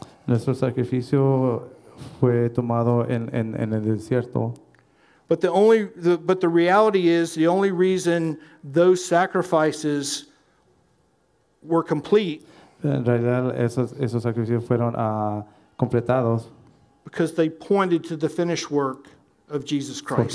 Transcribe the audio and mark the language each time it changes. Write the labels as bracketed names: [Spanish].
[Spanish] Nuestro sacrificio fue tomado en el desierto. [English] But the reality is the only reason those sacrifices were complete. [Spanish] En realidad esos sacrificios fueron completados. [English] Because they pointed to the finished work of Jesus Christ.